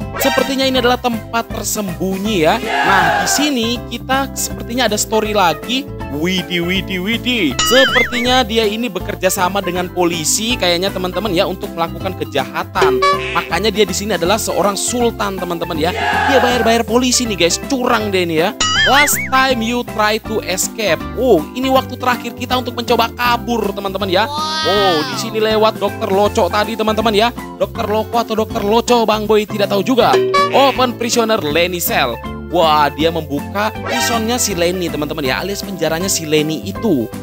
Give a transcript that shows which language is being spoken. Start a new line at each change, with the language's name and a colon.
Indonesian: Sepertinya ini adalah tempat tersembunyi ya. Nah, di sini kita sepertinya ada story lagi. Widi. Sepertinya dia ini bekerja sama dengan polisi kayaknya teman-teman ya, untuk melakukan kejahatan. Makanya dia di sini adalah seorang sultan teman-teman ya. Dia bayar-bayar polisi nih guys, curang deh ini ya.
English: Last time you try to escape.
Indonesian: Ini waktu terakhir kita untuk mencoba kabur teman-teman ya. Di sini lewat dokter Loco tadi teman-teman ya. Dokter Loco atau dokter Loco Bang Boy tidak tahu juga.
English: Open prisoner Lenny cell.
Indonesian: Wah, dia membuka prisonnya si Lenny teman-teman ya, alias penjaranya si Lenny itu.